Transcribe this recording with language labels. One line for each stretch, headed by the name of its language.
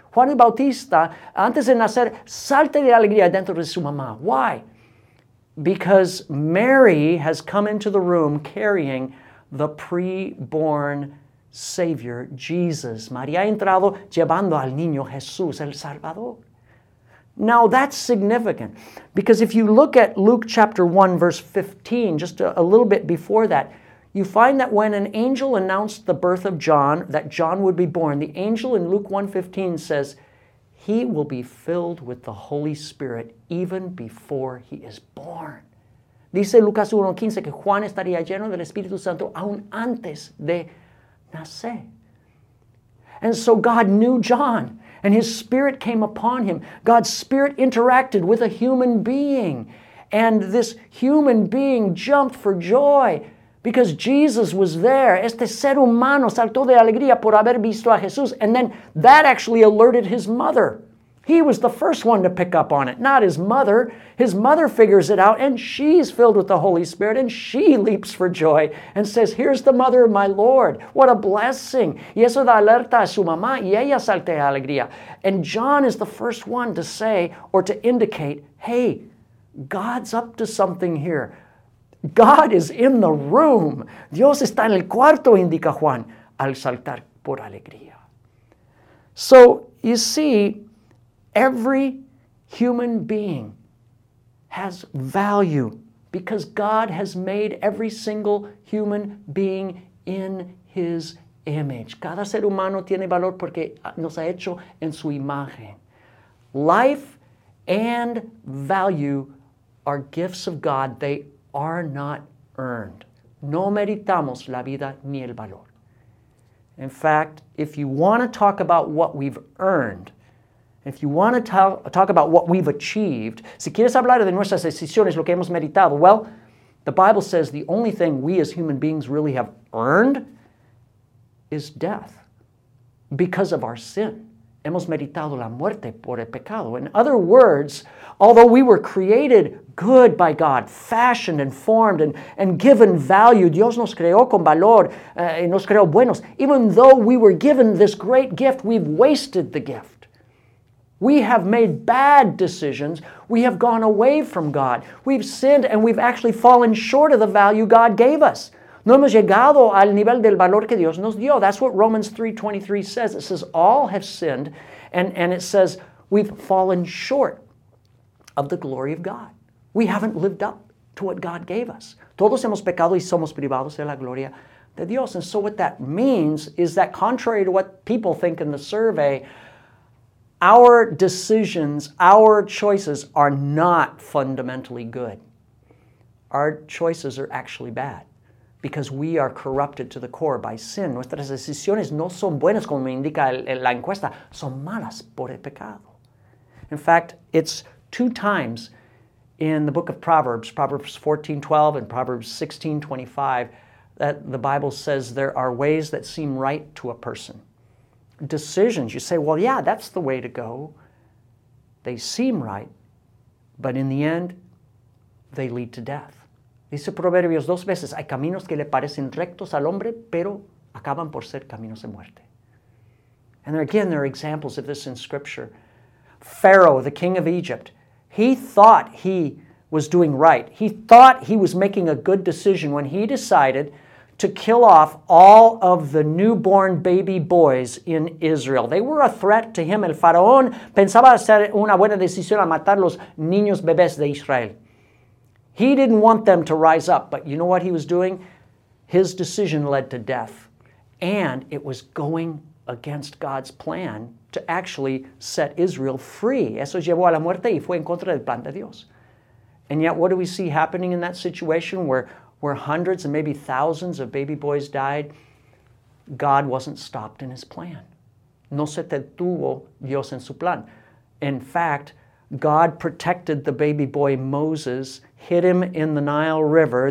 Spanish: Juan el Bautista, antes de nacer, salte de alegría dentro de su mamá.
English: Why? Because Mary has come into the room carrying the pre-born Savior, Jesus.
Spanish: María ha entrado llevando al niño Jesús, el Salvador.
English: Now, that's significant. Because if you look at Luke chapter 1, verse 15, just a little bit before that, you find that when an angel announced the birth of John, that John would be born, the angel in Luke 1:15 says, "He will be filled with the Holy Spirit even before he is born."
Spanish: Dice Lucas 1:15 que Juan estaría lleno del Espíritu Santo aún antes de nacer.
English: And so God knew John, and his spirit came upon him. God's spirit interacted with a human being, and this human being jumped for joy. Because Jesus was there.
Spanish: Este ser humano saltó de alegría por haber visto a Jesús.
English: And then that actually alerted his mother. He was the first one to pick up on it, not his mother. His mother figures it out, and she's filled with the Holy Spirit, and she leaps for joy and says, "Here's the mother of my Lord. What a blessing."
Spanish: Y eso da alerta a su mamá, y ella salta de alegría.
English: And John is the first one to say or to indicate, hey, God's up to something here. God is in the room.
Spanish: Dios está en el cuarto, indica Juan, al saltar por alegría.
English: So, you see, every human being has value because God has made every single human being in His image.
Spanish: Cada ser humano tiene valor porque nos ha hecho en su imagen.
English: Life and value are gifts of God. They are not earned.
Spanish: No meritamos la vida ni el valor.
English: In fact, if you want to talk about what we've earned, if you want to talk about what we've achieved,
Spanish: si quieres hablar de nuestras decisiones, lo que hemos meritado,
English: well, the Bible says the only thing we as human beings really have earned is death because of our sin.
Spanish: Hemos meritado la muerte por el pecado.
English: In other words, although we were created good by God, fashioned and formed and given value,
Spanish: Dios nos creó con valor y nos creó buenos.
English: Even though we were given this great gift, we've wasted the gift. We have made bad decisions. We have gone away from God. We've sinned and we've actually fallen short of the value God gave us.
Spanish: No hemos llegado al nivel del valor que Dios nos dio.
English: That's what Romans 3:23 says. It says, all have sinned, and it says, we've fallen short of the glory of God. We haven't lived up to what God gave us.
Spanish: Todos hemos pecado y somos privados de la gloria de Dios.
English: And so what that means is that contrary to what people think in the survey, our decisions, our choices are not fundamentally good. Our choices are actually bad. Because we are corrupted to the core by sin.
Spanish: Nuestras decisiones no son buenas, como me indica la encuesta. Son malas por el pecado.
English: In fact, it's two times in the book of Proverbs, Proverbs 14:12 and Proverbs 16:25, that the Bible says there are ways that seem right to a person. Decisions, you say, well, yeah, that's the way to go. They seem right, but in the end, they lead to death.
Spanish: Dice Proverbios dos veces, hay caminos que le parecen rectos al hombre, pero acaban por ser caminos de muerte.
English: And again, there are examples of this in Scripture. Pharaoh, the king of Egypt, he thought he was doing right. He thought he was making a good decision when he decided to kill off all of the newborn baby boys in Israel. They were a threat to him.
Spanish: El faraón pensaba hacer una buena decisión al matar los niños bebés de Israel.
English: He didn't want them to rise up, but you know what he was doing? His decision led to death, and it was going against God's plan to actually set Israel free.
Spanish: Eso llevó a la muerte y fue en contra del plan de Dios.
English: And yet, what do we see happening in that situation where hundreds and maybe thousands of baby boys died? God wasn't stopped in his plan.
Spanish: No se detuvo Dios en su plan.
English: In fact, God protected the baby boy Moses, hid him in the Nile River.